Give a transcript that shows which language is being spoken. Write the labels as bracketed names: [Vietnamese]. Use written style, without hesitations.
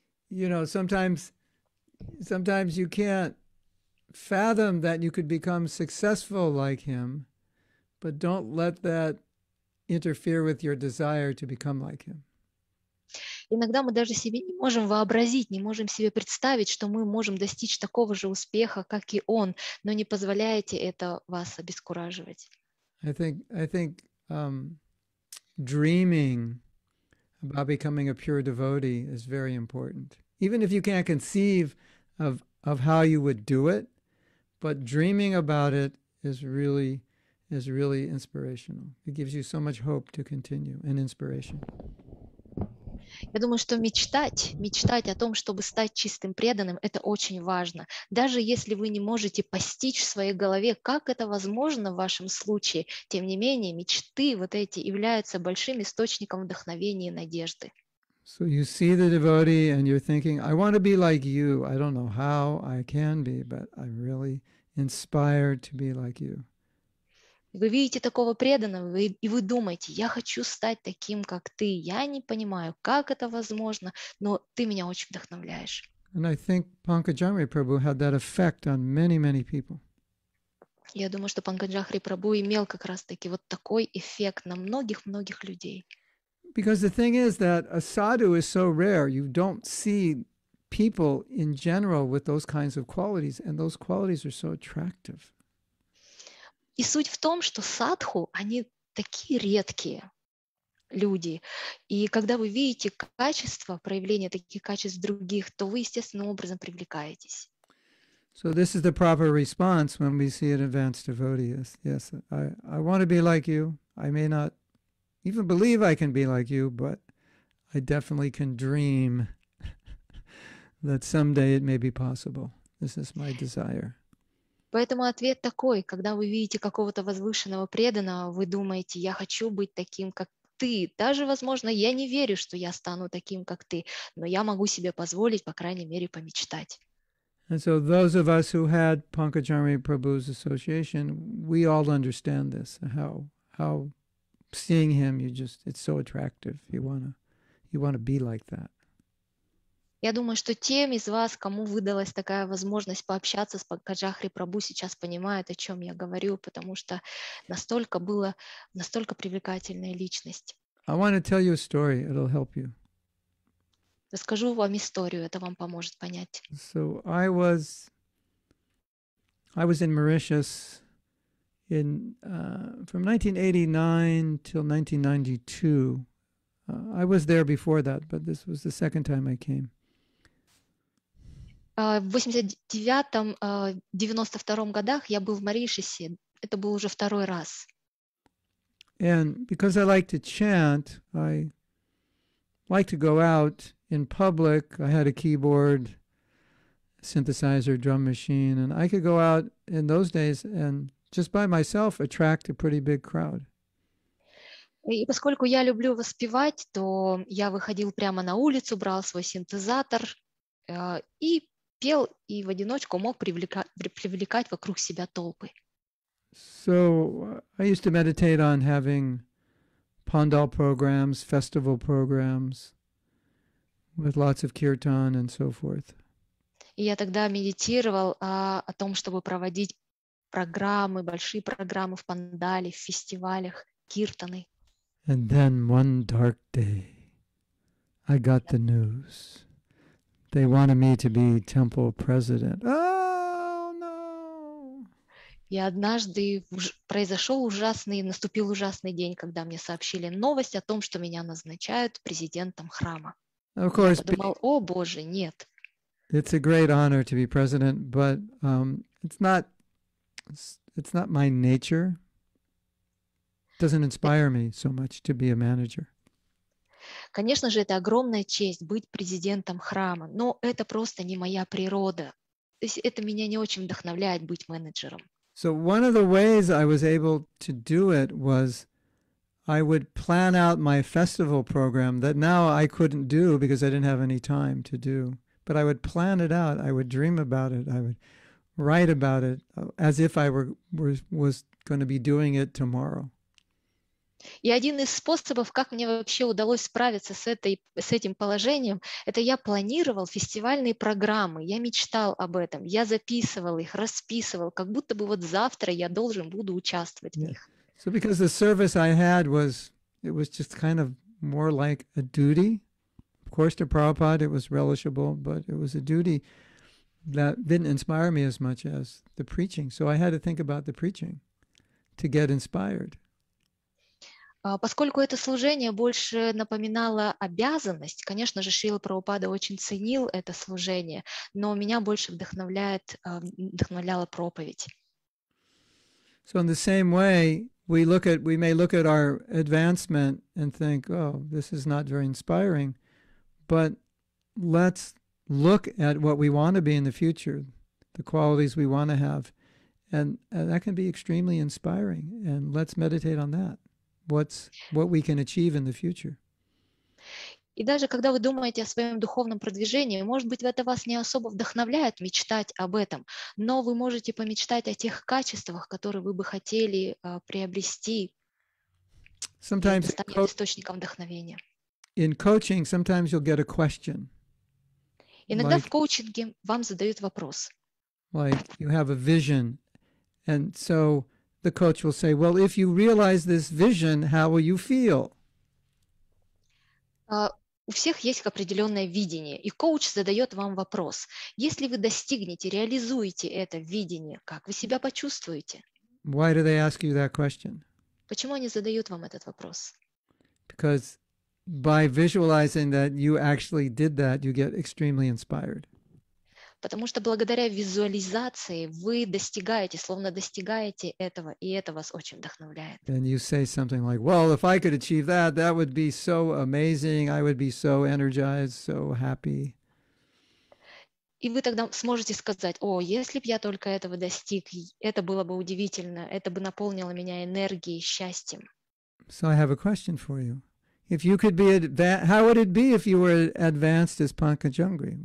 [English] You know, sometimes you can't fathom that you could become successful like him, but don't let that interfere with your desire to become like him. [Russian] Иногда мы даже себе не можем вообразить, не можем себе представить, что мы можем достичь такого же успеха, как и он, но не позволяйте это вас обескураживать. [English] I think dreaming about becoming a pure devotee is very important. Even if you can't conceive of how you would do it, but dreaming about it is really inspirational. It gives you so much hope to continue and inspiration. [Russian] Я думаю, что мечтать о том, чтобы стать чистым преданным, это очень важно. Даже если вы не можете постичь в своей голове, как это возможно в вашем случае, тем не менее, мечты вот эти являются большим источником вдохновения и надежды. [English] So you see the devotee and you're thinking, I want to be like you. I don't know how I can be, but I'm really inspired to be like you. [Russian] Вы видите такого преданного, и вы думаете, я хочу стать таким, как ты. Я не понимаю, как это возможно, но ты меня очень вдохновляешь. [English] And I think Pankajamri Prabhu had that effect on many, many people. [Russian] Я думаю, что Панкаджахри Прабху имел как раз-таки вот такой эффект на многих-многих людей. [English] Because the thing is that a sadhu is so rare, you don't see people in general with those kinds of qualities, and those qualities are so attractive. [Russian] И суть в том, что садху, они такие редкие люди. И когда вы видите качество, проявление таких качеств других, то вы естественным образом привлекаетесь. [English] So this is the proper response when we see an advanced devotee. Yes, I want to be like you. I may not even believe I can be like you, but I definitely can dream that someday it may be possible. This is my desire. [Russian] Поэтому ответ такой, когда вы видите какого-то возвышенного преданного, вы думаете, я хочу быть таким, как ты. Даже, возможно, я не верю, что я стану таким, как ты, но я могу себе позволить, по крайней мере, помечтать. [English] And so those of us who had Pankajamri Prabhu's association, we all understand this, how seeing him, it's so attractive, you wanna be like that. [Russian] Я думаю, что тем из вас, кому выдалась такая возможность пообщаться с Панкаджахри Прабху, сейчас понимают, о чем я говорю, потому что настолько привлекательная личность. [English] I want to tell you a story. It'll help you. [Russian] Расскажу вам историю, это вам поможет понять. [English] So I was in Mauritius from 1989 till 1992. I was there before that, but this was the second time I came. [Russian] В 89-92 годах я был в Маришисе. Это был уже второй раз. [English] And because I like to chant, I like to go out in public. I had a keyboard, synthesizer, drum machine, and I could go out in those days and just by myself attract a pretty big crowd. [Russian] И поскольку я люблю воспевать, то я выходил прямо на улицу, брал свой синтезатор и пел и в одиночку мог привлекать вокруг себя толпы. [English] So I used to meditate on having pandal programs, festival programs with lots of kirtan and so forth. [Russian] И я тогда медитировал о том, чтобы проводить программы, большие программы в пандале, в фестивалях, киртаны. [English] And then one dark day I got the news. They wanted me to be temple president. Oh no! [Russian] И однажды произошел ужасный, наступил ужасный день, когда мне сообщили новость о том, что меня назначают президентом храма. [English] Of course. [Russian] Я подумал, о боже, нет. [English] It's a great honor to be president, but it's not my nature. It doesn't inspire me so much to be a manager. [Russian] Конечно же, это огромная честь быть президентом храма, но это просто не моя природа. То есть это меня не очень вдохновляет быть менеджером. [English] So one of the ways I was able to do it was I would plan out my festival program that now I couldn't do because I didn't have any time to do. But I would plan it out, I would dream about it, I would write about it as if I was going to be doing it tomorrow. [Russian] И один из способов, как мне вообще удалось справиться с этим положением, это я планировал фестивальные программы, я мечтал об этом, я записывал их, расписывал, как будто бы вот завтра я должен буду участвовать в них. [English] So because the service I had was just kind of more like a duty, of course, to Prabhupada, it was relishable, but it was a duty that didn't inspire me as much as the preaching. So I had to think about the preaching to get inspired. [Russian] Поскольку это служение больше напоминало обязанность, конечно же, Шрила Прабхупада очень ценил это служение, но меня больше вдохновляет, вдохновляла проповедь. [English] So in the same way, we may look at our advancement and think, oh, this is not very inspiring, but let's look at what we want to be in the future, the qualities we want to have, and that can be extremely inspiring, and let's meditate on that. What we can achieve in the future. [Russian] И даже когда вы думаете о своем духовном продвижении, может быть, это вас не особо вдохновляет мечтать об этом, но вы можете помечтать о тех качествах, которые вы бы хотели приобрести. [English] Sometimes [Russian] это станет источником вдохновения. [English] In coaching, sometimes you'll get a question. [Russian] Иногда в коучинге вам задают вопрос. [English] Like you have a vision, and so the coach will say, well, if you realize this vision, how will you feel? [Russian] У всех есть определенное видение, и коуч задает вам вопрос. Если вы достигнете, реализуете это видение, как вы себя почувствуете? [English] Why do they ask you that question? [Russian] Почему они задают вам этот вопрос? [English] Because by visualizing that you actually did that, you get extremely inspired. [Russian] Потому что благодаря визуализации вы достигаете, словно достигаете этого, и это вас очень вдохновляет. [English] And you say something like, well, if I could achieve that, that would be so amazing, I would be so energized, so happy. [Russian] И вы тогда сможете сказать, о, если б я только этого достиг, это было бы удивительно, это бы наполнило меня энергией, счастьем. [English] So I have a question for you. If you could be, how would it be if you were advanced as Pankajungri?